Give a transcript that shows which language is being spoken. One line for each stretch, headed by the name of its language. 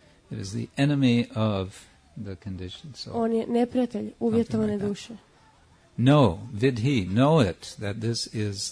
English: It is the enemy of the conditioned soul.
Croatian: On je neprijatelj uvjetovane duše.
English: No, vidhi, know it that this is.